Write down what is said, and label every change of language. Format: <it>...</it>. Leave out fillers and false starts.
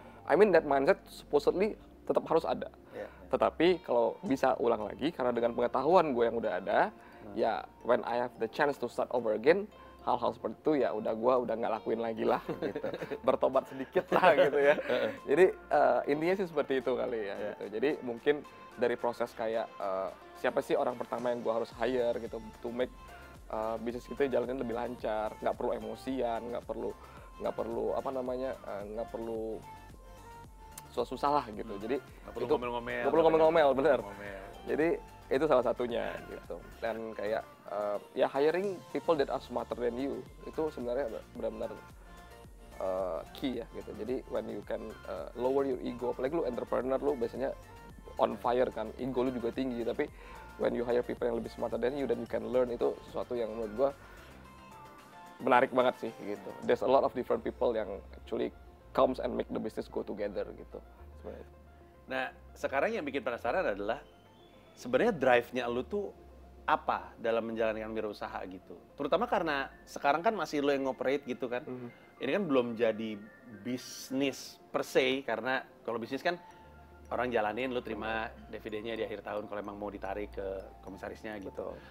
<en>I mean that mindset supposedly</en> <id>tetap harus ada. Tetapi kalau bisa ulang lagi, karena dengan pengetahuan gue yang udah ada, ya</id> <en>when I have the chance to start over again,</en> <id>hal-hal seperti itu ya udah gue udah nggak lakuin lagi lah, gitu. Bertobat sedikit lah gitu ya. Jadi intinya sih seperti itu kali ya. Gitu. Jadi mungkin dari proses kayak siapa sih orang pertama yang gue harus hire gitu to make bisnis kita jalannya lebih lancar, nggak perlu emosian, nggak perlu susah-susah lah gitu. Jadi itu ngomel-ngomel. Nggak perlu ngomel-ngomel, bener. Jadi itu salah satunya gitu. Dan kayak ya</id> <en>hiring people that are smarter than you</en> <id>itu sebenarnya benar-benar key ya gitu. Jadi</id> <en>when you can lower your ego,</en> <id>apalagi lu entrepreneur lu biasanya on fire kan, ego lu juga tinggi, tapi</id> <en>when you hire people</en> <id>yang lebih smarter than you,</id> <en>then you can learn,</en> <id>itu sesuatu yang menurut gua menarik banget sih gitu.</id> <en>There's a lot of different people yang actually comes and make the business go together gitu.</en> <id>Nah, sekarang yang bikin penasaran adalah sebenarnya drive-nya lu tuh apa dalam menjalankan wira usaha gitu. Terutama karena sekarang kan masih lu yang operate gitu kan. Mm-hmm. Ini kan belum jadi bisnis per se, karena kalau bisnis kan orang jalanin, lu terima dividennya di akhir tahun kalau emang mau ditarik ke komisarisnya gitu.</id>